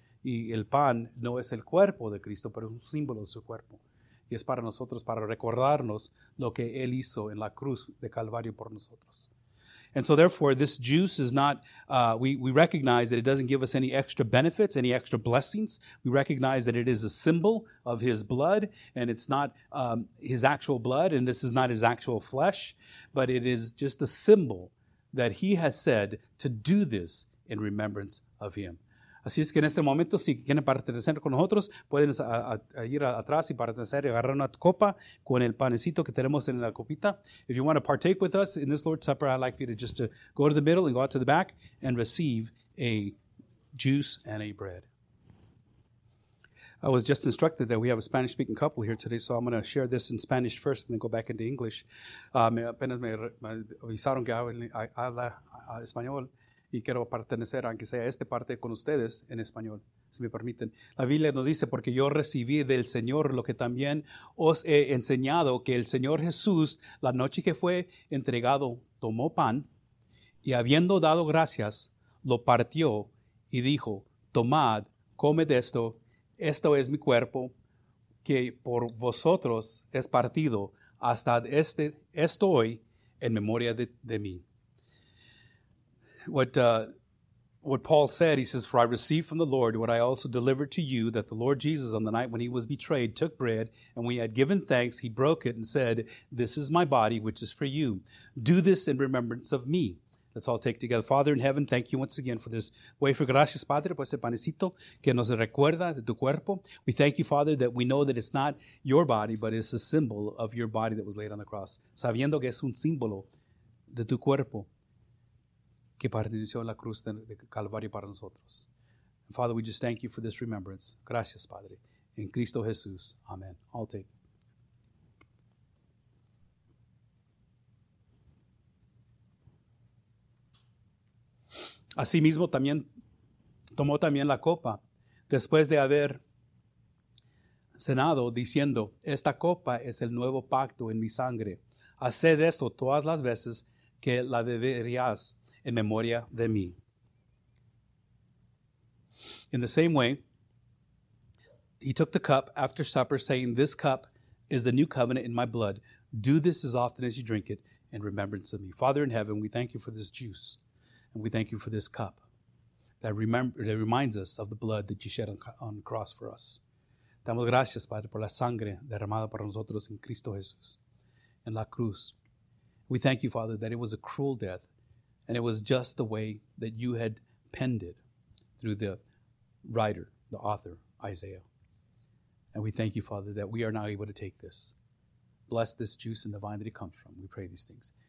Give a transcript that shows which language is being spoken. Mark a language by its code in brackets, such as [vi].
[es] Y el pan no es el cuerpo de Cristo, pero es un símbolo de su cuerpo. Y es para nosotros, para recordarnos lo que Él hizo en la cruz de Calvario por nosotros. [en] And so therefore, this juice is not, we recognize that it doesn't give us any extra benefits, any extra blessings. We recognize that it is a symbol of His blood, and it's not His actual blood, and this is not His actual flesh, but it is just a symbol that He has said to do this in remembrance of Him. [es] Así es que en este momento, si quieren pertenecer con nosotros, pueden ir atrás y pertenecer y agarrar una copa con el panecito que tenemos en la copita. [en] If you want to partake with us in this Lord's Supper, I'd like for you to just to go to the middle and go out to the back and receive a juice and a bread. I was just instructed that we have a Spanish-speaking couple here today, so I'm going to share this in Spanish first and then go back into English. [es] Apenas me avisaron que habla español. Y quiero pertenecer, aunque sea esta parte, con ustedes en español, si me permiten. La Biblia nos dice, porque yo recibí del Señor lo que también os he enseñado, que el Señor Jesús, la noche que fue entregado, tomó pan, y habiendo dado gracias, lo partió y dijo, tomad, comed esto, esto es mi cuerpo, que por vosotros es partido, hasta esto hoy, en memoria de mí. [en] What Paul said, he says, for I received from the Lord what I also delivered to you, that the Lord Jesus on the night when he was betrayed took bread, and when he had given thanks, he broke it and said, this is my body, which is for you. Do this in remembrance of me. Let's all take together. Father in heaven, thank you once again for this wafer. [es] Gracias, Padre, por este panecito que nos recuerda de tu cuerpo. [en] We thank you, Father, that we know that it's not your body, but it's a symbol of your body that was laid on the cross. [es] Sabiendo que es un símbolo de tu cuerpo. Que perteneció la cruz de Calvario para nosotros. [en] Father, we just thank you for this remembrance. [es] Gracias, Padre. En Cristo Jesús. Amen. [en] I'll take. [es] Asimismo, también tomó también la copa después de haber cenado, diciendo, esta copa es el nuevo pacto en mi sangre. Haced esto todas las veces que la beberías. In memoria de mí. [en] In the same way, he took the cup after supper, saying, this cup is the new covenant in my blood. Do this as often as you drink it in remembrance of me. Father in heaven, we thank you for this juice, and we thank you for this cup that reminds us of the blood that you shed on the cross for us. [es] Damos gracias, Padre, por la sangre derramada para nosotros en Cristo Jesús, en la cruz. [en] We thank you, Father, that it was a cruel death, and it was just the way that you had penned it through the writer, the author, Isaiah. And we thank you, Father, that we are now able to take this. Bless this juice and the vine that it comes from. We pray these things.